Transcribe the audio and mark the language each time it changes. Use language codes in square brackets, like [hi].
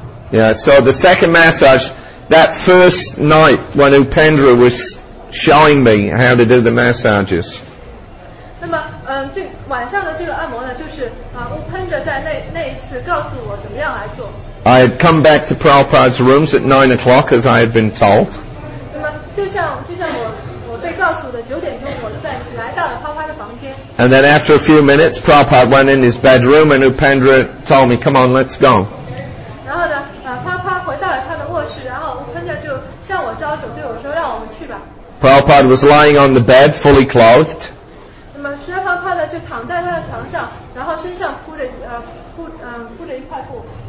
[en] Yeah, so the second massage, that first night when Upendra was showing me how to do the massages. [zh] 那么, 这晚上的这个按摩呢，就是啊，乌潘德在那一次告诉我怎么样来做。 [en] I had come back to Prabhupada's rooms at 9 o'clock, as I had been told. [zh] 那么就像我被告诉的，九点钟我在来到了帕帕的房间。 [en] And then after a few minutes, Prabhupada went in his bedroom, and Upendra told me, "Come on, let's go." [zh] 然后呢，帕帕回到了他的卧室，然后Upendra就向我招手，对我说，让我们去吧。 [en] Prabhupada was lying on the bed, fully clothed. [zh] 那么释迦帕帕呢，就躺在他的床上，然后身上铺着一块布。